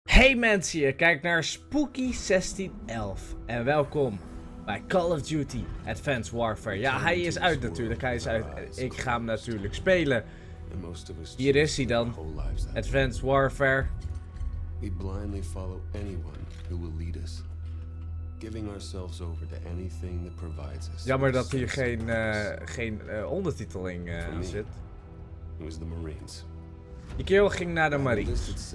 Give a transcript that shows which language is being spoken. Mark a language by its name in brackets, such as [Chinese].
[Dutch] Hey mensen, je kijkt naar Spooky 1611 en welkom bij Call of Duty Advanced Warfare. Ja, hij is uit natuurlijk, ik ga hem natuurlijk spelen. Hier is hij dan, Advanced Warfare. [English] We blindly follow anyone who will lead us, giving ourselves over to anything that provides us. [Dutch] Jammer dat hier geen ondertiteling aan zit. [English] It was the Marines. [Dutch] Die kerel ging naar de Marines.